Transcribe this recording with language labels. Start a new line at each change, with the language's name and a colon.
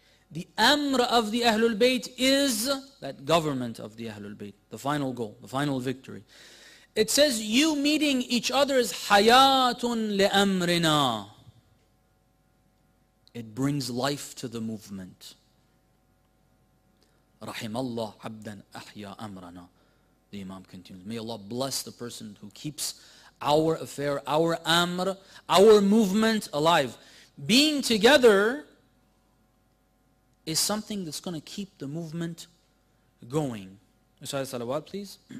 English: The Amr of the Ahlul Bayt is that government of the Ahlul Bayt, the final goal, the final victory. It says, you meeting each other is
Arabic: حَيَاةٌ لِأَمْرِنَا.
English: It brings life to the movement.
Arabic: رحم الله عبدا أحيا أمرنا.
English: The Imam continues. May Allah bless the person who keeps our affair, our amr, our movement alive. Being together is something that's going to keep the movement going. Recite salawat please.